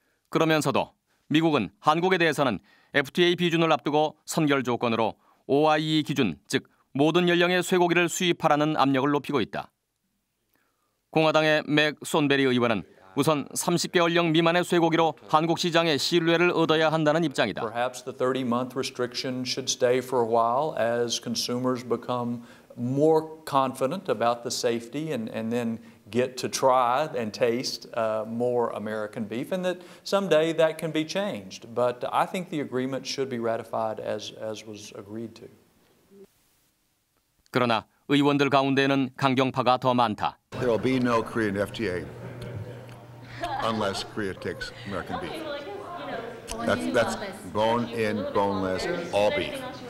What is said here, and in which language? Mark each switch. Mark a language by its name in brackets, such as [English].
[Korean] 그러면서도 미국은 한국에 대해서는 FTA 비준을 앞두고 선결 조건으로 OIE 기준 즉 모든 연령의 쇠고기를 수입하라는 압력을 높이고 있다. 공화당의 맥 손베리 의원은 우선 30개월령 미만의 쇠고기로 한국 시장의 신뢰를 얻어야 한다는 입장이다. [English] Perhaps the 30-month restriction should stay for a while as consumers become more confident about the safety and then get to try and taste more American beef and that someday that can be changed. But I think the agreement should be ratified as was agreed to. [Korean] 그러나 의원들 가운데는 강경파가 더 많다. [English] There will be no Korean FTA. Unless Korea takes American beef. That's bone in, boneless, all beef.